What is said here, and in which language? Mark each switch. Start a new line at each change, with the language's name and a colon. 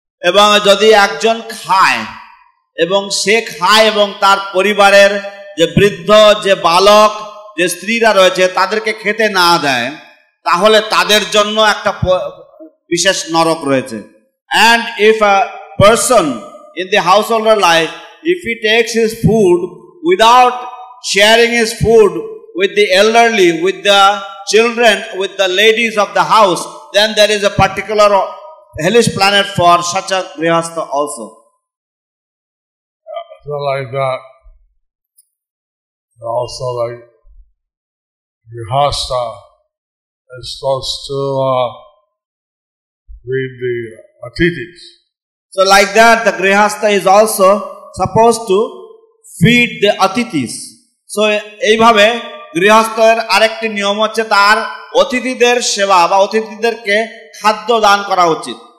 Bangla: এবং যদি একজন খায় এবং সে খায় এবং তার পরিবারের যে বৃদ্ধ যে বালক যে স্ত্রীরা রয়েছে তাদেরকে খেতে না দেয় তাহলে তাদের জন্য একটা বিশেষ নরক রয়েছে।
English: And if a person in the householder life if he takes his food without sharing his food with the elderly, with the children, with the ladies of the house, then there is a particular hellish planet for such a grihastha also. Yeah, so like that, and also like grihastha is supposed to feed the atithis. So like that, the grihastha is also supposed to feed the atithis.
Bangla: So এইভাবে গৃহস্থের আরেকটি নিয়ম হচ্ছে তার অতিথিদের সেবা বা অতিথিদেরকে খাদ্য দান করা উচিত।